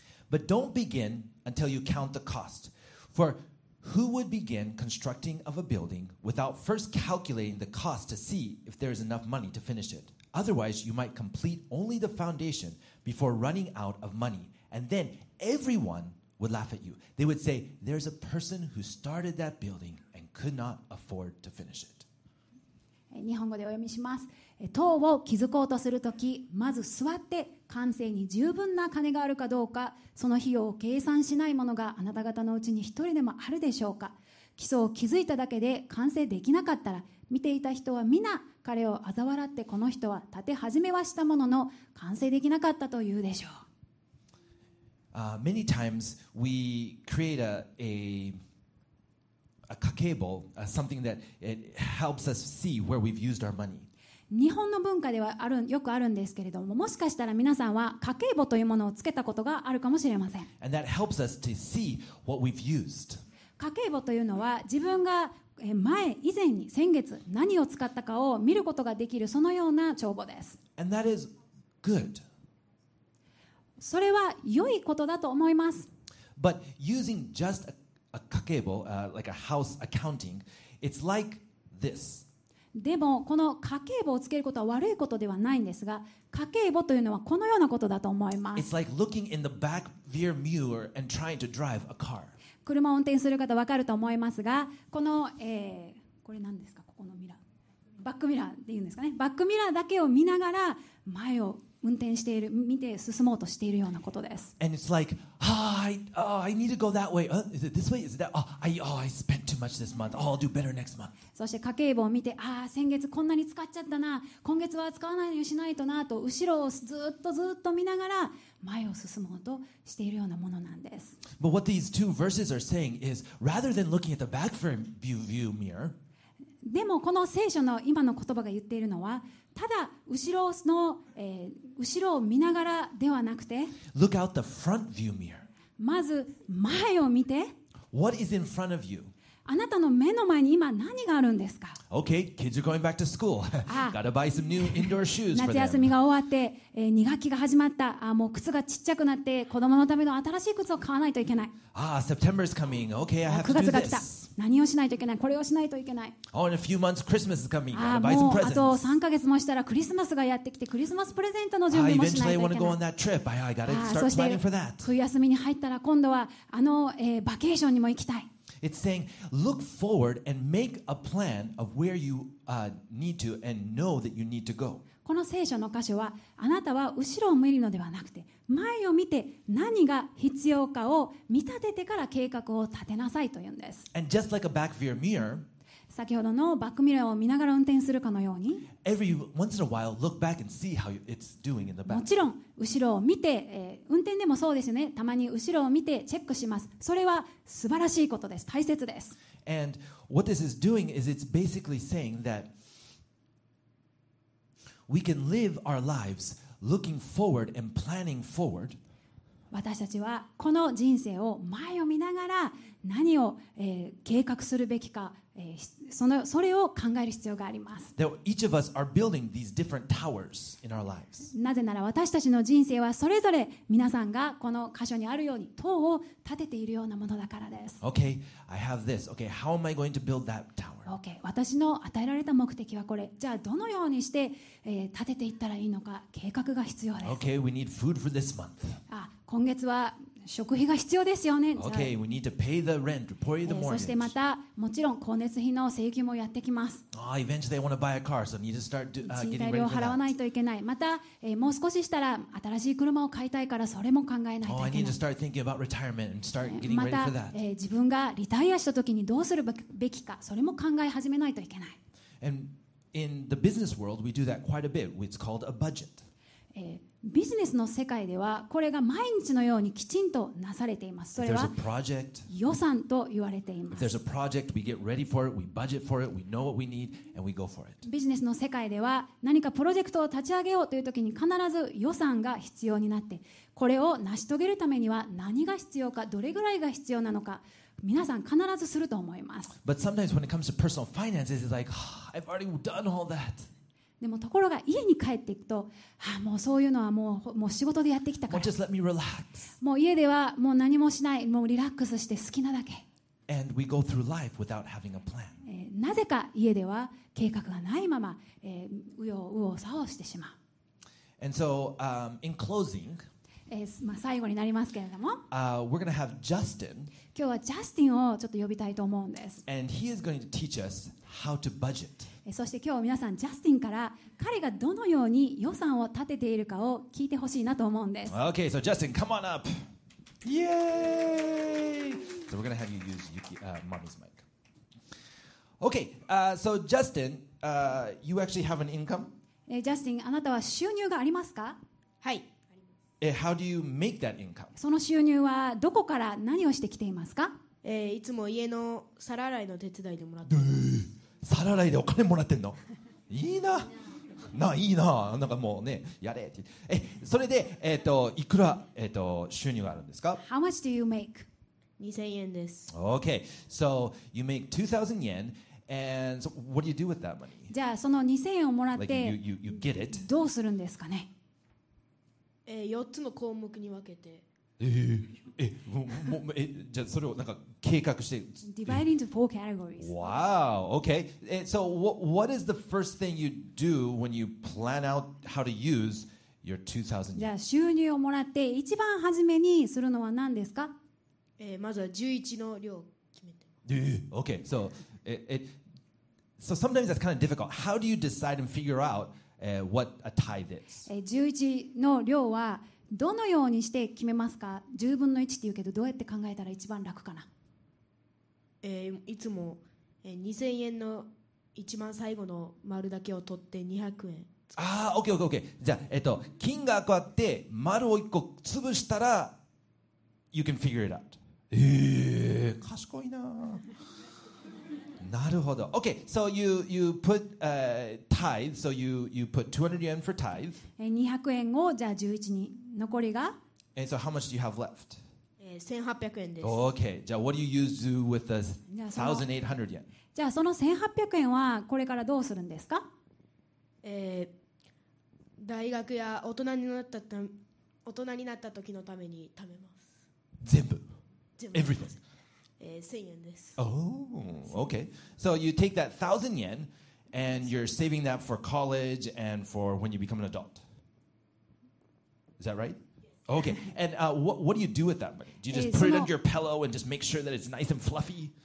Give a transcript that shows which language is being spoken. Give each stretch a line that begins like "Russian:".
English: But don't begin until you count the cost. For who would begin constructing of a building without first calculating the cost to see if there is enough money to finish it? Otherwise, you might complete only the foundation before running out of money. And then everyone would laugh at you. They would say, there's a person who started that building and could not afford to finish it.
Japanese: 日本語でお読みします。塔を築こうとするとき、まず座って完成に十分な金があるかどうか、その費用を計算しない者があなた方のうちに一人でもあるでしょうか。基礎を築いただけで完成できなかったら、見ていた人は皆彼を嘲笑って、この人は建て始めはしたものの完成できなかったというでしょう。
English: Many times we create a kakebo, something that it helps us see where we've used our money.
Japanese: 日本の文化ではよくあるんですけれども、もしかしたら皆さんは家計簿というものをつけたことがあるかもしれません。
English: And that helps us to see what we've used.
Japanese: 家計簿というのは自分が前以前に先月何を使ったかを見ることができる、そのような帳簿です。
English: And that is good.
Japanese: それは良いことだと思います。
English: But using just a 家計簿、like a house accounting, it's like this.
Japanese: でもこの家計簿をつけることは悪いことではないんですが、家計簿というのはこのようなことだと思います。
English: It's like looking in the back rear mirror and trying to drive a car.
Japanese: 車を運転する方分かると思いますが、この、これ何ですか、ここのミラー、バックミラーで言うんですかね、バックミラーだけを見ながら前を運転している、見て進もうとしているようなことです。
English: And it's like, I need to go that way. Is it this way? Is it that? I spent too much this month. I'll do better next month.
Japanese: そして家計簿を見て、ああ先月こんなに使っちゃったな、今月は使わないようにしないとなと、後ろをずっとずっと見ながら前を進もうとしているようなものなんです。
English: But what these two verses are saying is, rather than looking at the back view mirror,
Japanese: でもこの聖書の今の言葉が言っているのは、ただ後ろの、後ろを見ながらではなくて、
English: Look out the front view mirror.
Japanese: まず前を見て、
English: What is in front of you?
Japanese: あなたの目の前に今何があるんですか?
English: Okay, kids are going back to school. Gotta buy some new indoor shoes for them.
Japanese: 夏休みが終わって、2学期が始まった。あ、もう靴がちっちゃくなって、子供のための新しい靴を買わないといけない。
English: Ah, September is coming. Okay, I have to do this.
Japanese: 9月が来た。何をしないといけない。これをしないといけない。
English: Oh, in a few months, Christmas is coming. Gotta buy some presents.
Japanese: あと3ヶ月もしたらクリスマスがやってきて、クリスマスプレゼントの準備もしないといけない。
English: I eventually want to go on that trip. I gotta start planning for that.
Japanese: 冬休みに入ったら今度はあの、バケーションにも行きたい。
English: It's saying, look forward and make a plan of where you need to and know that you need to go.
Japanese: この聖書の箇所は、あなたは後ろを見るのではなくて、前を見て何が必要かを見立ててから計画を立てなさいというんです。
English: And just like a back view mirror,
Japanese: 先ほどのバックミラーを見ながら運転するかのように、
English: every once in a while, look back and see how it's doing in the back.
Japanese: もちろん後ろを見て、運転でもそうですよね。たまに後ろを見てチェックします。それは素晴らしいことです。大切です。
English: And what this is doing is it's basically saying that we can live our lives looking forward and planning forward.
Japanese: 私たちはこの人生を前を見ながら何を、計画するべきか、それを考える必要があります。
English: That each of us are building these different towers in our lives.
Japanese: なぜなら私たちの人生はそれぞれ皆さんがこの箇所にあるように塔を建てているようなものだからです。
English: Okay, I have this. Okay, how am I going to build that tower?
Japanese: Okay, 私の与えられた目的はこれ。じゃあどのようにして、建てていったらいいのか計画が必要です。
English: Okay, we need food for this month.
Japanese: 今月は食費が必要ですよね。
English: Okay, we need to pay the rent, pay the mortgage.
Japanese: そしてまたもちろん光熱費の請求もやってきます。
English: Ah, eventually I want to buy a car, so I need to start getting ready for that.
Japanese: 賃貸料払わないといけない。また、もう少ししたら新しい車を買いたいからそれも考えないといけない。
English: Oh, I need to start thinking about retirement and start getting ready for that.
Japanese: また、自分がリタイアした時にどうするべきかそれも考え始めないといけない。
English: And in the business world, we do that quite a bit. It's called a budget.
Japanese: ビジネスの世界ではこれが毎日のようにきちんとなされています。それは予算と言われています。
English: If there's a project, we get ready for it, we budget for it, we know what we need, and we go for it.
Japanese: ビジネスの世界では何かプロジェクトを立ち上げようというときに必ず予算が必要になって、これを成し遂げるためには何が必要か、どれぐらいが必要なのか、皆さん必ずすると思います。
English: But sometimes when it comes to personal finances, it's like, oh, I've already done all that.
Japanese: でもところが家に帰っていくと、ああもうそういうのはもう仕事でやってきたから、
English: just let me relax.
Japanese: もう家ではもう何もしない、もうリラックスして好きなだけ。
English: And we go through life without having a plan.
Japanese: なぜか家では計画がないまま、うようさをさおしてしまう。
English: And so, in closing,
Japanese: まあ、最後になりますけれども、
English: we're gonna have Justin.
Japanese: 今日はジャスティンをちょっと呼びたいと思うんです。
English: And he is going to teach us how to budget.
Japanese: そして今日皆さん、ジャスティンから彼がどのように予算を立てているかを聞いてほしいなと思うんです。
English: Okay, so Justin, come on up. Yay! So we're gonna have you use Yuki, mommy's mic. Okay, so Justin, you actually have an income?
Japanese: Justin, あなたは収入がありますか？はい。
English: How do you make that income?
Japanese: その収入はどこから何をしてきていますか？いつも家の皿洗いの手伝いでもらっています。皿洗いでお金もらってんの？いいな、ないいな、なんかもうね、やれって。それで、いくら、収入があるんですか
English: ？How much do you make?
Japanese: 2000円です。
English: Okay, so you make 2000 yen, and so what do you do with that money?
Japanese: じゃあその2000円をもらって、
English: like、you get it.
Japanese: どうするんですかね？ 4つの項目に分けて。じゃあそれをなんか計画して
English: Divide into four categories. Wow, okay. So what is the first thing you do when you plan out how to use your 2000
Japanese: yen? じゃあ収入をもらって一番初めにするのは何ですか？まずは11の量決めて。
English: Okay, so so sometimes that's kind of difficult. How do you decide and figure out what a tithe is?
Japanese: 11の量はどのようにして決めますか？十分の一って言うけど、どうやって考えたら一番楽かな？いつも、2000円の一番最後の丸だけを取って200円。ああ、オッケーオッケーオッケー。じゃあ、金額あって丸を一個潰したら、
English: you can figure it out。
Japanese: 賢いな。なるほど。
English: Okay, so you put tithe. So you put 200 yen for tithe.
Japanese: 200円をじゃあ11に残りが。
English: And so how much do you have left?
Japanese: 1800円です。
English: Oh, okay. じゃあ、what do you use to do with the 1800 yen?
Japanese: じゃあ、その1800円はこれからどうするんですか？大学や大人になった時のために貯めます。全部。
English: Everything.
Japanese: 1000円です。
English: Oh, okay. So you take that 1000 yen and you're saving that for college and for when you become an adult. Is that right? Okay. And what do you do with that money? Do you just put it under your pillow and just make sure that it's nice and fluffy?